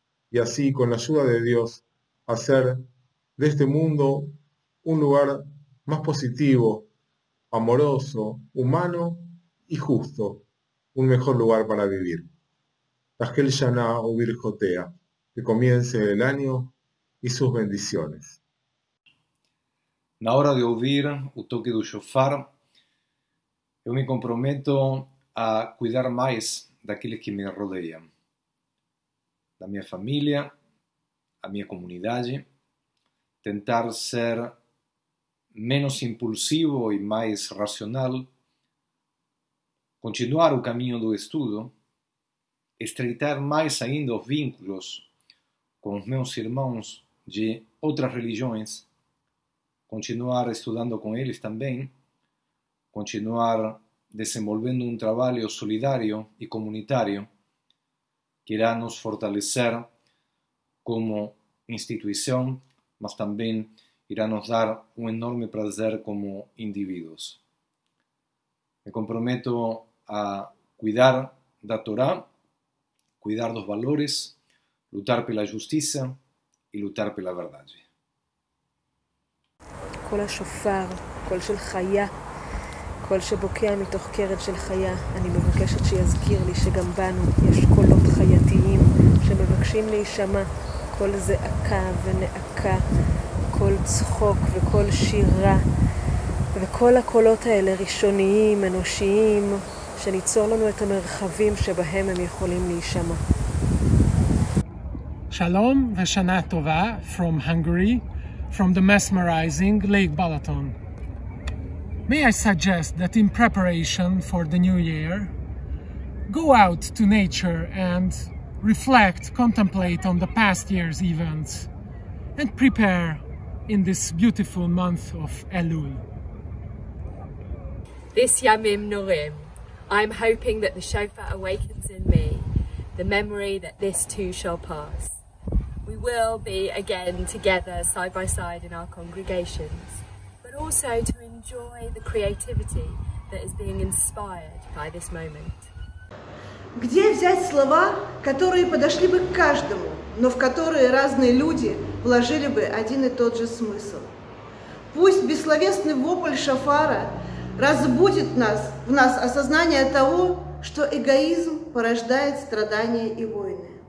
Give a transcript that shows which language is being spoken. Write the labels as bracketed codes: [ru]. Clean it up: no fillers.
[es] Y así, con la ayuda de Dios, hacer de este mundo un lugar más positivo, amoroso, humano y justo, un mejor lugar para vivir. [he] Tajel Shana Ubirjotea, [es] que comience el año y sus bendiciones. [pt] Na hora de ouvir o toque do shofar, eu me comprometo a cuidar mais daqueles que me rodeiam, da minha família, a minha comunidade, tentar ser menos impulsivo e mais racional, continuar o caminho do estudo, estreitar mais ainda os vínculos com os meus irmãos de outras religiões, continuar estudando com eles também, continuar desenvolvendo um trabalho solidário e comunitário que irá nos fortalecer como instituição, mas também irá nos dar um enorme prazer como indivíduos. Me comprometo a cuidar da Torá, cuidar dos valores, lutar pela justiça e lutar pela verdade. [he] קול השופר, קול של חיה, קול שבוקע מתוך קרן של חיה. אני מבקשת שיזכיר לי שגם בנו יש קולות חייתיים שמבקשים להישמע. קול זעקה ונעקה, קול צחוק וקול שירה. וכל הקולות האלה ראשוניים, אנושיים, שניצור לנו את המרחבים שבהם הם יכולים להישמע. שלום ושנה טובה, [en] from Hungary. From the mesmerizing Lake Balaton. May I suggest that in preparation for the new year, go out to nature and reflect, contemplate on the past year's events and prepare in this beautiful month of Elul. This Yamim Norim, I'm hoping that the shofar awakens in me the memory that this too shall pass. We will be again together side by side in our congregations, but also to enjoy the creativity that is being inspired by this moment. [ru] Где взять слова, которые подошли бы к каждому, но в которые разные люди вложили бы один и тот же смысл? Пусть бессловесный вопль шофара разбудит нас, в нас осознание того, что эгоизм порождает страдания и войны.